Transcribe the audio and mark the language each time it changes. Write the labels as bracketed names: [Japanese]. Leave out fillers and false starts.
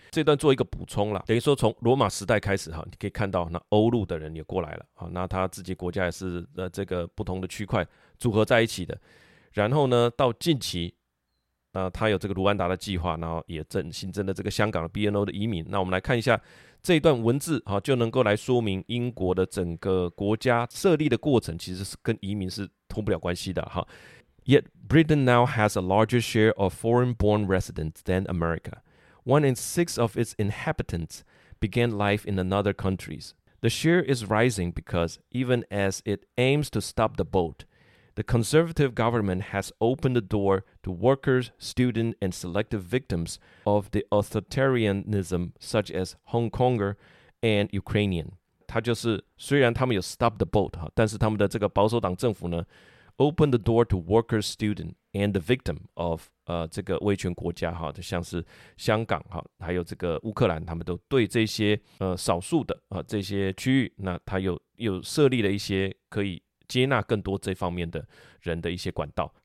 [Chinese] 这段做一个补充啦，等于说从罗马时代开始，你可以看到那欧陆的人也过来了，那他自己国家也是这个不同的区块组合在一起的。然后呢到近期他有这个卢安达的计划，然后也新增了这个香港的 BNO 的移民。那我们来看一下这一段文字就能够来说明英国的整个国家设立的过程其实是跟移民是脱不了关系的。 [English] Yet Britain now has a larger share of foreign-born residents than America. One in six of its inhabitants began life in another countries. The share is rising because even as it aims to stop the boat,The Conservative government has opened the door to workers, students, and selective victims of the authoritarianism, such as Hong Konger and Ukrainian. [Chinese] 他就是虽然他们有 [English] stop the boat, [Chinese] 但是他们的这个保守党政府呢 [English] opened the door to workers, students, and the victim of [Chinese] 这个威权国家哈，就像是香港哈，还有这个乌克兰，他们都对这些少数的这些区域，那他又设立了一些可以接纳更多这方面的人的一些管道。